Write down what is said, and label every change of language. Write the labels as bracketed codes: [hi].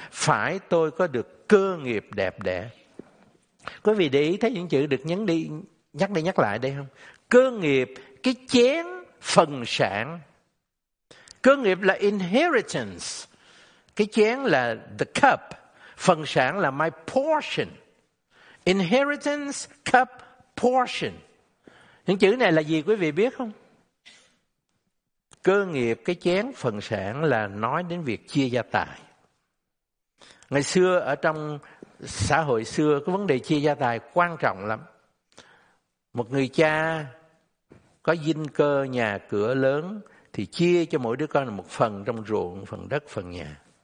[vi] Phải tôi có được cơ nghiệp đẹp đẽ. Quý vị để ý thấy những chữ được nhắc đi nhắc lại đây không? Cơ nghiệp, cái chén, phần sản. Cơ nghiệp là inheritance. Cái chén là [en] the cup. [vi] Phần sản là [en] my portion. Inheritance, cup, portion. [vi] Những chữ này là gì quý vị biết không? Cơ nghiệp, cái chén, phần sản là nói đến việc chia gia tài. Ngày xưa ở trong xã hội xưa, cái vấn đề chia gia tài quan trọng lắm. Một người cha có dinh cơ nhà cửa lớn thì chia cho mỗi đứa con là một phần trong ruộng, phần đất, phần nhà.